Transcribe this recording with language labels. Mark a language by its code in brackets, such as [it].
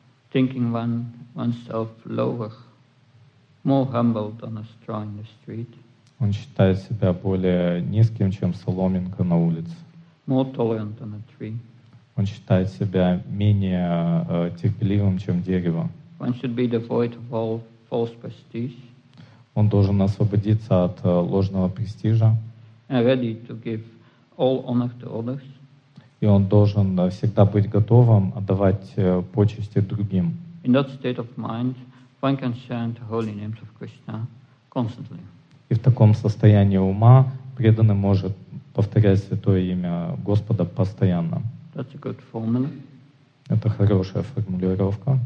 [en] Thinking oneself lower, more humble than a straw in the street. [ru] Он считает себя более низким, чем соломинка на улице. [en] More tolerant than a tree. [ru] Он считает себя менее терпеливым, чем дерево. [en] One should be devoid of all false prestige. [ru] Он должен освободиться от ложного престижа. [en] And ready to give all honor to others. [ru] И он должен всегда быть готовым отдавать почести другим. [en] In that state of mind, one can chant the holy names of Krishna constantly. [ru] И в таком состоянии ума преданный может повторять святое имя Господа постоянно. [en] That's a good formula. [ru] Это хорошая формулировка.